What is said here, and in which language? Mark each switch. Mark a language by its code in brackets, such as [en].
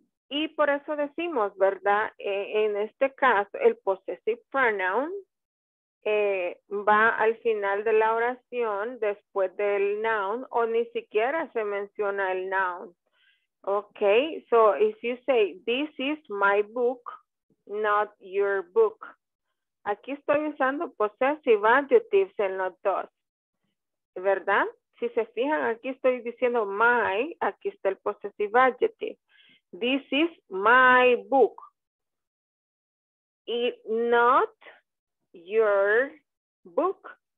[es] Y por eso decimos, ¿verdad? En este caso, el possessive pronoun va al final de la oración después del noun o ni siquiera se menciona el noun. [en] Okay, so if you say, this is my book, not your book. [es] Aquí estoy usando possessive adjectives en los dos. ¿Verdad? Si se fijan, aquí estoy diciendo my, aquí está el possessive adjective. [en] This is my book. Y not your book.